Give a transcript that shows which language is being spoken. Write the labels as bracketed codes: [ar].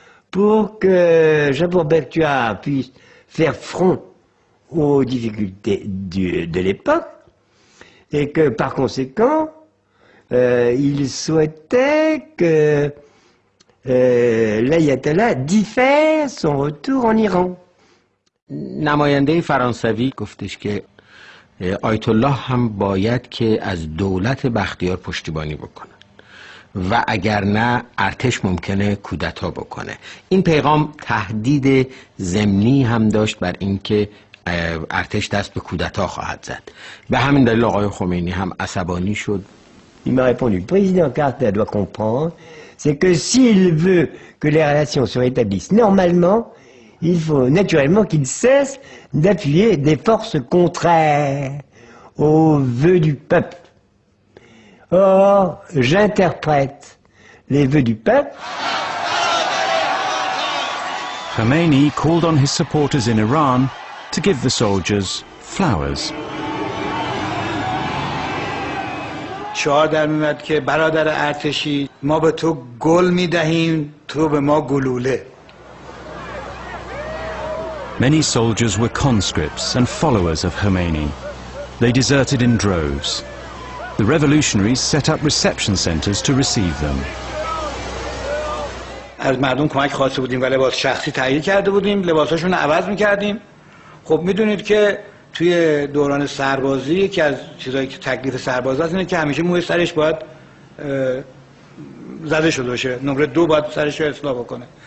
[fr] Pour que Jabour Bakhtiar puisse faire front aux difficultés de l'époque, et que par conséquent, il souhaitait que l'Ayatollah diffère son retour en Iran. [fa] نماینده فرانسوی گفتش که آیت الله هم باید که از دولت بختیار پشتیبانی بکنه. و اگر نه ارتش ممکنه کودتا بکنه این پیغام تهدید ضمنی هم داشت بر اینکه ارتش دست به کودتا خواهد زد به همین دلیل آقای خمینی هم عصبانی شد [fr] Il m'a répondu, le président Carter doit comprendre, c'est que s'il veut que les relations se rétablissent normalement, il faut naturellement qu'il cesse d'appuyer des forces contraires aux vœux du peuple. Or, j'interprète les vœux du peuple. [en] Khomeini called on his supporters in Iran to give the soldiers flowers. [fa] شعار در میاد که برادر ارتشی ما به تو گل میدهیم تو به ما گلوله. [en] Many soldiers were conscripts and followers of Khomeini. They deserted in droves. The revolutionaries set up reception centers to receive them. [fa] از مردم کمک خواسته بودیم و لباس شخصی تهیه کرده بودیم، لباساشون عوض میکردیم. خب میدونید که توی دوران سربازی یکی از چیزایی که تکلیف سرباز هست اینه که همیشه موی سرش باید زده شده باشه، نمره دو باید سرش رو اصلاح بکنه.